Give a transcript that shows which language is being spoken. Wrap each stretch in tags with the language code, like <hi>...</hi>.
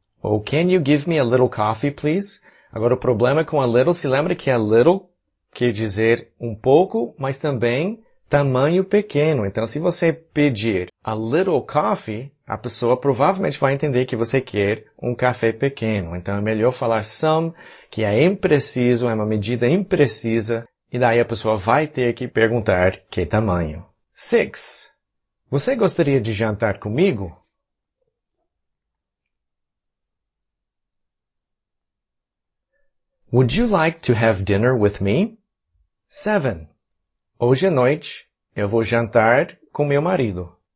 <en>Ou can you give me a little coffee, please?</en> <pt>Agora, o problema com a little, se lembra que a little quer dizer um pouco, mas também tamanho pequeno. Então, se você pedir</pt> <en>a little coffee,</en> <pt>a pessoa provavelmente vai entender que você quer um café pequeno. Então, é melhor falar some, que é impreciso, é uma medida imprecisa. E daí, a pessoa vai ter que perguntar que tamanho. 6. Você gostaria de jantar comigo?</pt> <en>Would you like to have dinner with me? 7.</en> <pt>Hoje à noite, eu vou jantar com meu marido.</pt>